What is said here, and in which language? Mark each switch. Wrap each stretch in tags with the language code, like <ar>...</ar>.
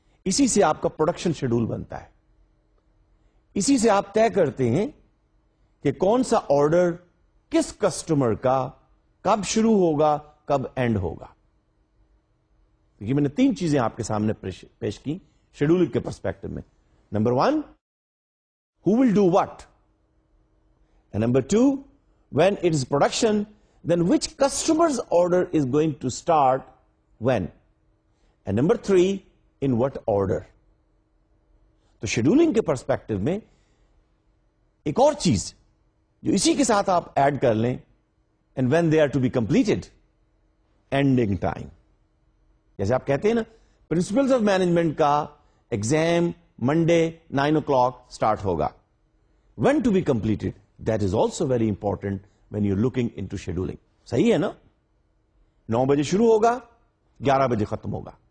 <ur>اسی سے آپ کا پروڈکشن شیڈول بنتا ہے. اسی سے آپ طے کرتے ہیں کہ کون سا آرڈر کس کسٹمر کا کب شروع ہوگا کب اینڈ ہوگا. میں نے تین چیزیں آپ کے سامنے پیش کی شیڈول کے پرسپیکٹو میں.</ur> <en>Number one, who will do what? And number two, when it is production, then which customer's order is going to start when? And number three, in what order?</en> <ur>تو شیڈولنگ کے perspective میں ایک اور چیز جو اسی کے ساتھ آپ ایڈ کر لیں,</ur> <en>and when they are to be completed, ending time.</en> <ur>جیسے آپ کہتے ہیں نا پرنسپلز آف مینجمنٹ کا ایگزام منڈے 9 o'clock اسٹارٹ ہوگا.</ur> <en>When to be completed, that is also very important when you're looking into scheduling.</en> <ur>صحیح ہے نا, 9 o'clock شروع ہوگا 11 o'clock ختم ہوگا.</ur>